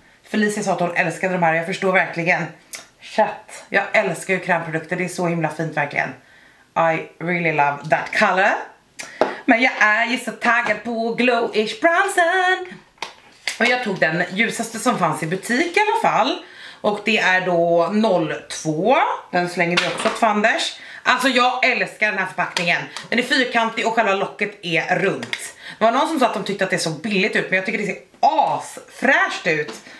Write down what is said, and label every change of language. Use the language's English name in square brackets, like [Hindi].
[Swedish] Felicia sa att hon älskade de här, jag förstår verkligen. Chatt, jag älskar ju krämprodukter, det är så himla fint verkligen. [English] I really love that color. [Swedish] Men jag är ju så taggad på Glowish bronsen. Och jag tog den ljusaste som fanns i butik i alla fall. Och det är då 02. Den slänger vi också tvanders. Alltså jag älskar den här förpackningen. Den är fyrkantig och själva locket är runt. Det var någon som sa att de tyckte att det såg billigt ut. Men jag tycker det ser asfräscht ut.